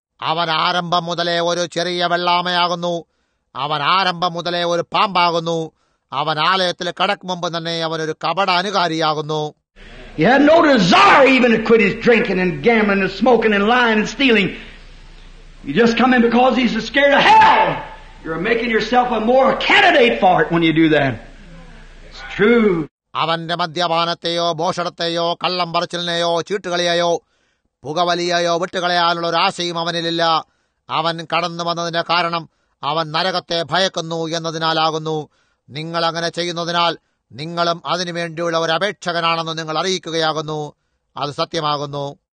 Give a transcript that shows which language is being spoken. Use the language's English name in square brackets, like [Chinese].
[Malayalam] അവൻ ആരംഭം മുതലേ ഒരു ചെറിയ വെള്ളാമയാകുന്നു. അവൻ ആരംഭം മുതലേ ഒരു പാമ്പാകുന്നു. അവൻ ആലയത്തിൽ കടക്കു മുമ്പ് തന്നെ അവൻ ഒരു കപട അനുകാരിയാകുന്നു. [English] He had no desire even to quit his drinking and gambling and smoking and lying and stealing. You just come in because he's scared of hell. You're making yourself a more candidate for it when you do that. It's true. [Malayalam] അവന്റെ മദ്യപാനത്തെയോ ഭോഷണത്തെയോ കള്ളം പറിച്ചിലിനെയോ ചീട്ടുകളിയായോ പുകവലിയായോ വിട്ടുകളയാനുള്ള ഒരാശയും അവനിലില്ല. അവൻ കടന്നു വന്നതിന്റെ കാരണം അവൻ നരകത്തെ ഭയക്കുന്നു എന്നതിനാലാകുന്നു. നിങ്ങൾ അങ്ങനെ ചെയ്യുന്നതിനാൽ നിങ്ങളും അതിനുവേണ്ടിയുള്ള ഒരു അപേക്ഷകനാണെന്ന് നിങ്ങൾ അറിയിക്കുകയാകുന്നു. അത് സത്യമാകുന്നു.